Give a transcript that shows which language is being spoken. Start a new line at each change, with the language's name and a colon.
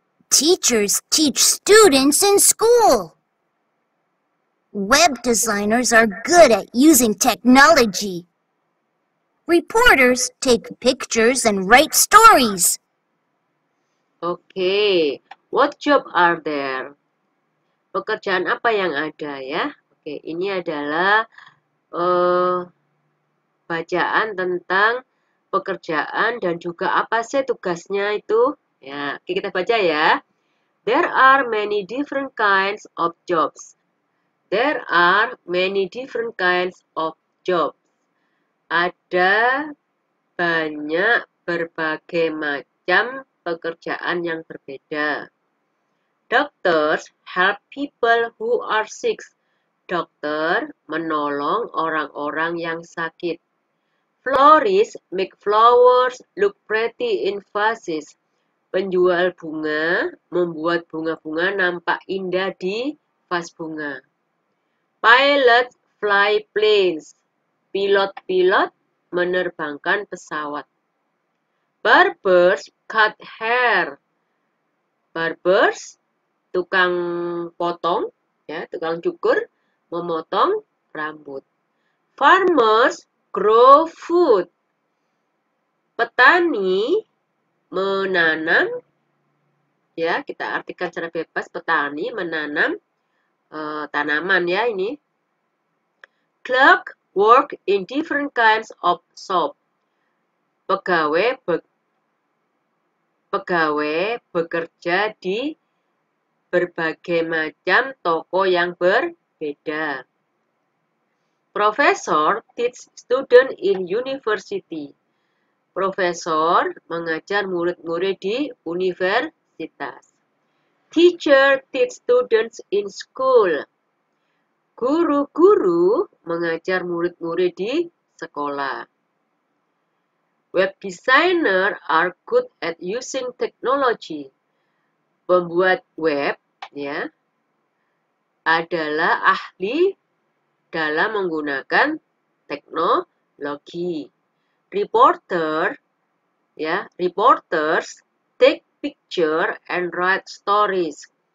English: Teachers teach students in school. Web designers are good at using technology. Reporters take pictures and write stories. Okay, what job are there?
Indonesian: Pekerjaan apa yang ada ya? Oke, okay. Ini adalah bacaan tentang pekerjaan dan juga apa sih tugasnya itu. Ya, okay, kita baca ya.
English: There are many different kinds of jobs. There are many different kinds of jobs.
Indonesian: Ada banyak berbagai macam pekerjaan yang berbeda.
English: Doctors help people who are sick.
Indonesian: Dokter menolong orang-orang yang sakit.
English: Florists make flowers look pretty in vases.
Indonesian: Penjual bunga membuat bunga-bunga nampak indah di vas bunga.
English: Pilot fly planes.
Indonesian: Pilot-pilot menerbangkan pesawat.
English: Barbers cut hair.
Indonesian: Barbers, tukang potong, ya, tukang cukur, memotong rambut.
English: Farmers grow food.
Indonesian: Petani menanam, ya, kita artikan secara bebas, petani menanam tanaman, ya, ini.
English: Clerk work in different kinds of shop.
Indonesian: Pegawai bekerja di berbagai macam toko yang berbeda.
English: Professor teach student in university.
Indonesian: Profesor mengajar murid-murid di universitas.
English: Teacher teach students in school.
Indonesian: Guru-guru mengajar murid-murid di sekolah.
English: Web designer are good at using technology.
Indonesian: Pembuat web, ya, adalah ahli dalam menggunakan teknologi.
English: Reporter, ya, reporters take picture and write stories.